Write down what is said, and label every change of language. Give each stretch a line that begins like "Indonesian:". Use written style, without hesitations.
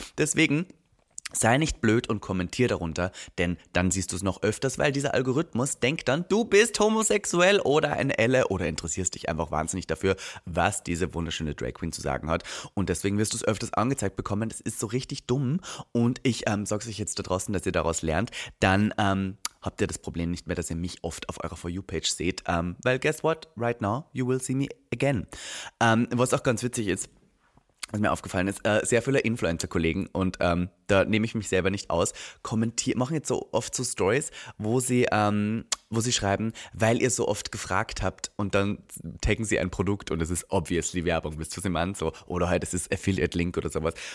German: Deswegen, sei nicht blöd und kommentier darunter, denn dann siehst du es noch öfters, weil dieser Algorithmus denkt dann, du bist homosexuell oder ein Elle oder interessierst dich einfach wahnsinnig dafür, was diese wunderschöne Drag Queen zu sagen hat. Und deswegen wirst du es öfters angezeigt bekommen. Das ist so richtig dumm. Und ich sag's euch jetzt da draußen, dass ihr daraus lernt. Dann habt ihr das Problem nicht mehr, dass ihr mich oft auf eurer For You-Page seht. Weil
English: guess what? Right now, you will see me again.
German: Was auch ganz witzig ist, was mir aufgefallen ist, sehr viele Influencer-Kollegen und da nehme ich mich selber nicht aus, machen jetzt so oft so Stories, wo sie schreiben, weil ihr so oft gefragt habt und dann taggen sie ein Produkt und es ist obviously Werbung, wisst ihr, was ich meine, so, oder halt, es ist Affiliate-Link oder sowas.